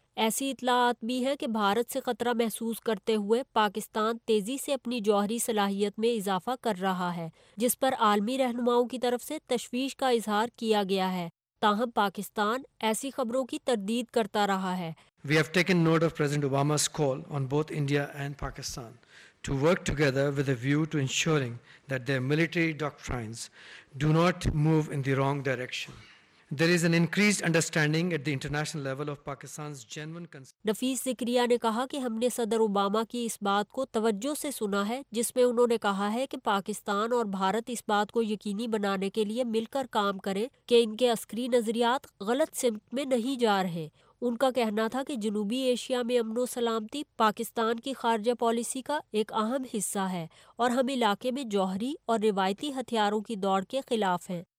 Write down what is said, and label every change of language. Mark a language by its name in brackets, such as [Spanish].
[Urdu] ایسی اطلاعات بھی ہیں کہ بھارت سے خطرہ محسوس کرتے ہوئے پاکستان تیزی سے اپنی جوہری صلاحیت میں اضافہ کر رہا ہے، جس پر عالمی رہنماؤں کی طرف سے تشویش کا اظہار کیا گیا ہے۔ تاہم پاکستان ایسی خبروں کی تردید کرتا رہا ہے۔ [English] We have taken note of President Obama's call on both India and Pakistan to work together with a view to ensuring that their military doctrines do not move in the wrong direction. There is an increased understanding at the international level of Pakistan's genuine concern. [Urdu] نفیس زکریا نے کہا کہ ہم نے صدر Obama کی اس بات کو توجہ سے سنا ہے، جس میں انہوں نے کہا ہے کہ پاکستان اور بھارت اس بات کو یقینی بنانے کے لیے مل کر کام کریں کہ ان کے عسکری نظریات غلط سمت میں نہیں جا رہے۔ ان کا کہنا تھا کہ جنوبی ایشیا میں امن و سلامتی پاکستان کی خارجہ پالیسی کا ایک اہم حصہ ہے، اور ہم علاقے میں جوہری اور روایتی ہتھیاروں کی دوڑ کے خلاف ہیں۔